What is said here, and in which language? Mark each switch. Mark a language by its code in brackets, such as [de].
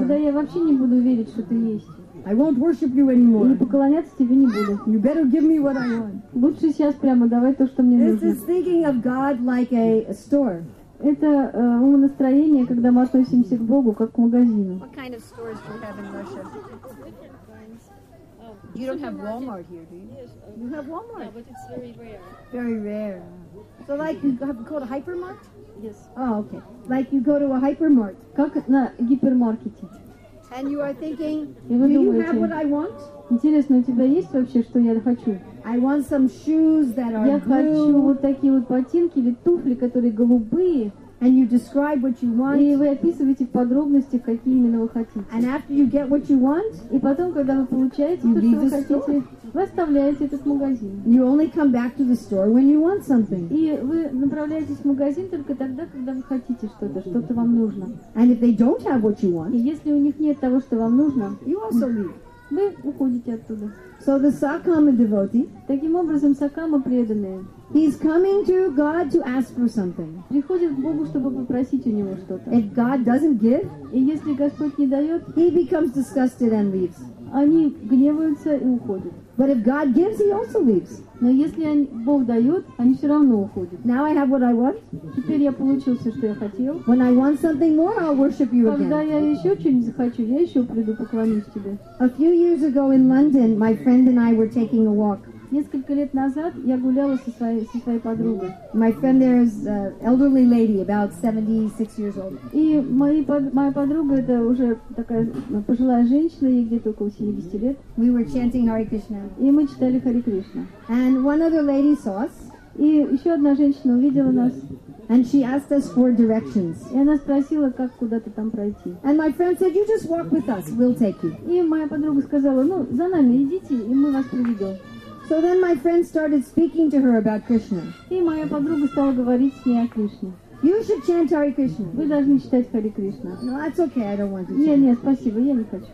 [ru] Тогда я вообще не буду верить, что ты есть. [en] I won't worship you anymore. [ru] И не поклоняться тебе не буду. [en] You better give me what I want. [ru] Лучше сейчас прямо давай то, что мне [en] this [ru] нужно. [en] This is thinking of God like a store. [ru] Это умонастроение, когда мы относимся к Богу как к магазину. [en] What kind of stores do you have in Russia? You don't have Walmart here, do you? Yes. You have Walmart. Yeah, but it's very rare. Very rare. So like you have to go to Hypermart? Yes. Oh, okay. Like you go to a Hypermart. [ru] Как на гипермаркете. [en] And you are thinking, do you have what I want? [ru] Интересно, у тебя есть вообще, что я хочу? [en] I want some shoes that are [ru] я [en] blue. [ru] Хочу вот такие вот ботинки или туфли, которые голубые. [en] And you describe what you want. [ru] И вы описываете в подробностях, какие именно вы хотите. [en] And after you get what you want, [ru] и потом, когда вы получаете то, что вы хотите, вы оставляете этот магазин. [en] You only come back to the store when you want something. [ru] И вы направляетесь в магазин только тогда, когда вы хотите что-то, что-то вам нужно. [en] And if they don't have what you want, [ru] и если у них нет того, что вам нужно, [en] you also leave. [ru] Вы уходите оттуда. [en] So the Sakama devotee, [ru] таким образом, Сакама преданные, [en] he's coming to God to ask for something. [ru] Приходит к Богу, чтобы попросить у него что-то. [en] If God doesn't give, [ru] и если Господь не дает, [en] he becomes disgusted and leaves. [ru] Они гневаются и уходят. [en] But if God gives, he also leaves. [ru] Но если Бог дает, они все равно уходят. [en] Now I have what I want. [ru] Теперь я получил все, что я хотел. [en] When I want something more, I'll worship you [ru] когда [en] again. [ru] Когда я еще что-нибудь захочу, я еще приду поклонюсь тебе. [en] A few years ago in London, my friend and I were taking a walk. [ru] Несколько лет назад я гуляла со своей подругой. [en] My friend there is an elderly lady, about 76 years old. [ru] И моя подруга это уже такая пожилая женщина, ей где-то около 70 лет. [en] We were chanting Hare Krishna. [ru] И мы читали Hare Krishna. [en] And one other lady saw us. [ru] И еще одна женщина увидела нас. [en] And she asked us for directions. [ru] И она спросила, как куда-то там пройти. [en] And my friend said, you just walk with us, we'll take you. [ru] И моя подруга сказала, ну за нами идите, и мы вас приведем. [en] So then my friend started speaking to her about Krishna. [ru] И моя подруга стала говорить с ней о Кришне. [en] You should chant Hare Krishna. [ru] Вы должны читать Hare Krishna. [en] No, that's okay, I don't want to chant. [ru] Нет, нет, спасибо, я не хочу.